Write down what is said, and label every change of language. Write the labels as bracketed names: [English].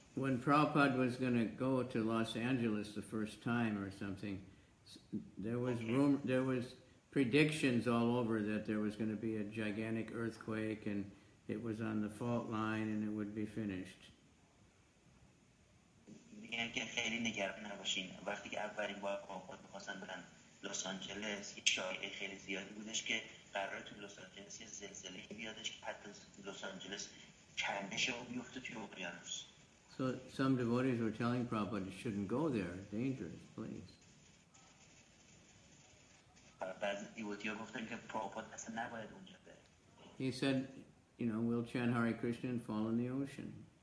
[English] When Prabhupada was going to go to Los Angeles the first time or something, there was rumor, there was predictions all over that there was going to be a gigantic earthquake and it was on the fault line and it would be finished. [Persian] میگن که خیلی نگران نباشین وقتی که اولین بار پروپاد بخواستن برن لس آنجلس یک شایعه خیلی زیادی بودش که قراره تو لس آنجلس یه زلزله بیادش که حتی لس آنجلس کنده شه و بیفته توی اقیانوس. [English] So some devotees were telling Prabhupada you shouldn't go there, dangerous place. [Persian] بعضی دیوتی ها گفتن که پروپاد اصلا نباید اونجا بره. [English] He said, you know, will chant Hare Krishna and fall in the ocean.